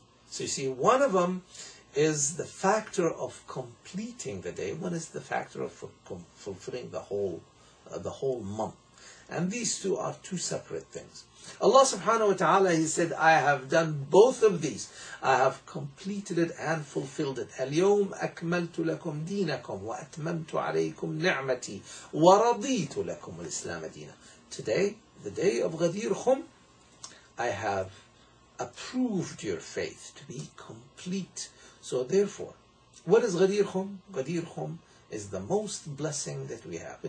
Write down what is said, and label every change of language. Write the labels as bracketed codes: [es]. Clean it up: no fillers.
[en] So you see, one of them is the factor of completing the day. One is the factor of fulfilling the whole month. And these two are two separate things. Allah subhanahu wa ta'ala, He said, I have done both of these. I have completed it and fulfilled it. [ar] اليوم أكملت لكم دينكم وأتممت عليكم نعمتي ورضيت لكم الإسلام دينا. [en] Today, the day of Ghadir Khum, I have approved your faith to be complete. So therefore, what is Ghadir Khum? Ghadir Khum is the most blessing that we have.